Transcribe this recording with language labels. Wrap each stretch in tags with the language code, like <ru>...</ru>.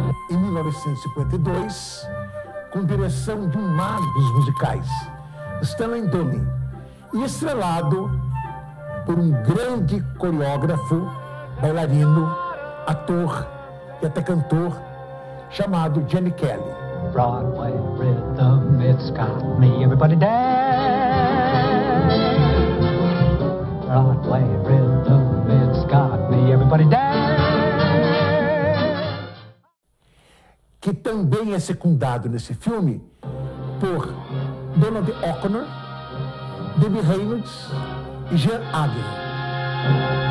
<pt>em 1952, com direção de um mago dos musicais, Stanley Donen, e estrelado por um grande coreógrafo, bailarino, ator e até cantor, chamado Gene Kelly.</pt> <en>Broadway rhythm, it's got me, everybody dance. Broadway rhythm, it's got me, everybody dance.</en> <pt>Que também é secundado nesse filme por Donald O'Connor, Debbie Reynolds e Jean Agee.</pt>